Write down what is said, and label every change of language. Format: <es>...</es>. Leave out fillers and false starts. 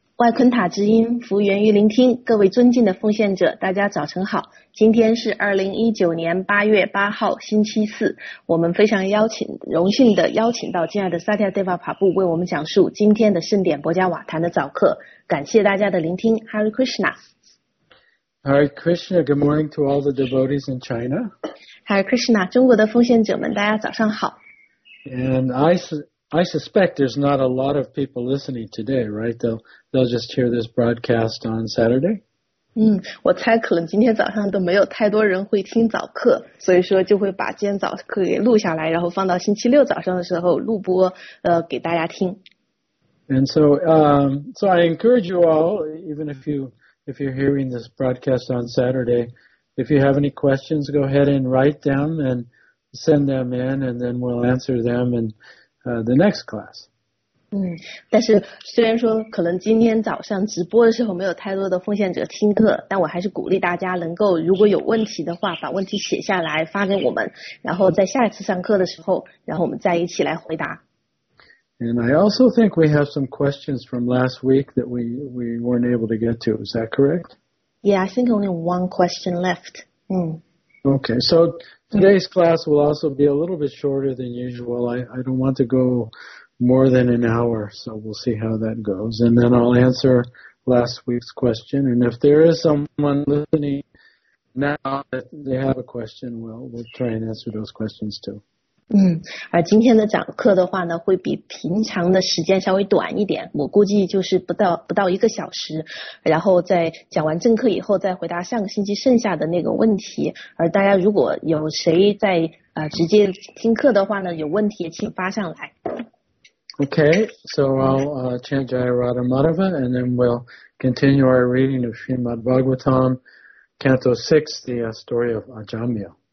<zh>外坤塔之音，福源于聆听。各位尊敬的奉献者，大家早晨好。今天是2019年8月8号，星期四。我们非常荣幸的邀请到亲爱的萨提亚德瓦帕布为我们讲述今天的圣典博加瓦坛的早课。感谢大家的聆听。Hare Krishna。</zh> <en>Hare Krishna. Good morning to all the devotees in China. Hare Krishna.</en> <zh>中国的奉献者们，大家早上好。</zh> <en>And I suspect there's not a lot of people listening today, right? They'll just hear this broadcast on Saturday.</en> <zh>我猜可能今天早上都没有太多人会听早课，所以说就会把今天早课给录下来，然后放到星期六早上的时候录播，给大家听。</zh> <en>And so I encourage you all, even if you're hearing this broadcast on Saturday, if you have any questions, go ahead and write them and send them in, and then we'll answer them andthe next class.</en> <zh>但是虽然说可能今天早上直播的时候没有太多的奉献者听课，但我还是鼓励大家能够如果有问题的话把问题写下来发给我们，然后在下一次上课的时候然后我们再一起来回答。</zh> <en>And I also think we have some questions from last week that we weren't able to get to, is that correct? Yeah, I think only one question left. Okay, so... Today's class will also be a little bit shorter than usual. I don't want to go more than an hour, so we'll see how that goes. And then I'll answer last week's question. And if there is someone listening now that they have a question, we'll try and answer those questions too.</en> <zh>而今天的讲课的话呢会比平常的时间稍微短一点，我估计就是不到一个小时，然后在讲完正课以后再回答上个星期剩下的那个问题。而大家如果有谁在直接听课的话呢有问题请发上来。</zh> <en>OK, so I'll chant Jayarada Madhava and then we'll continue our reading of Srimad Bhagavatam Canto 6, the story of Ajamya.</en>